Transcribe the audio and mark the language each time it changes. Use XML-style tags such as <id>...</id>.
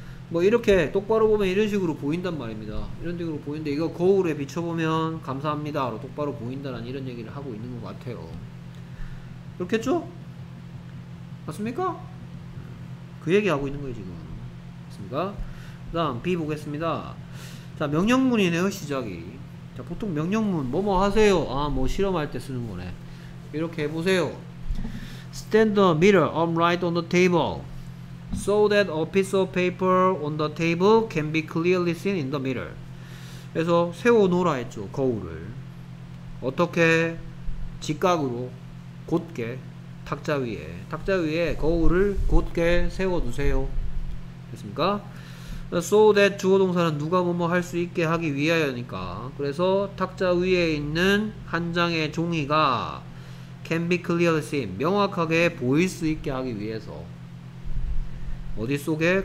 <ko>뭐 이렇게 똑바로 보면 이런 식으로 보인단 말입니다. 이런 식으로 보이는데 이거 거울에 비춰보면 감사합니다 로 똑바로 보인다는 이런 얘기를 하고 있는 것 같아요. 그렇겠죠? 맞습니까? 그 얘기 하고 있는 거예요 지금. 맞습니까? 그 다음 B 보겠습니다. 자 명령문이네요 시작이. 자 보통 명령문 뭐뭐 하세요. 아 뭐 실험할 때 쓰는 거네. 이렇게 해보세요.</ko> <en>Stand the mirror upright on the table so that a piece of paper on the table can be clearly seen in the mirror.</en> <ko>그래서 세워놓으라 했죠. 거울을 어떻게 직각으로 곧게 탁자 위에 거울을 곧게 세워두세요. 됐습니까? So that 주어동사는 누가 뭐뭐 할 수 있게 하기 위하여니까 그래서 탁자 위에 있는 한 장의 종이가 can be clearly seen 명확하게 보일 수 있게 하기 위해서 어디 속에?</ko>